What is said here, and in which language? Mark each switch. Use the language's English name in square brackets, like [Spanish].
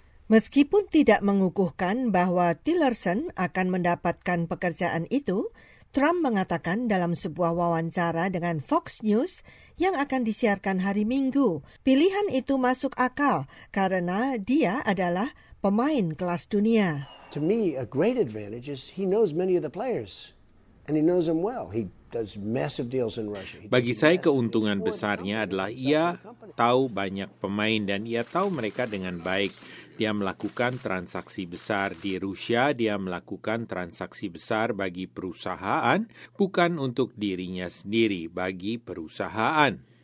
[Indonesian] Meskipun tidak mengukuhkan bahwa Tillerson akan mendapatkan pekerjaan itu, Trump mengatakan dalam sebuah wawancara dengan Fox News yang akan disiarkan hari Minggu, pilihan itu masuk akal karena dia adalah pemain kelas dunia. [English] To me, a great advantage is he knows many of the players and he knows them well. He does massive deals in Russia. [Indonesian] Bagi saya keuntungan besarnya adalah ia tahu banyak pemain dan ia tahu mereka dengan baik. Dia melakukan transaksi besar di Rusia, dia melakukan transaksi besar bagi perusahaan, bukan untuk dirinya sendiri, bagi perusahaan.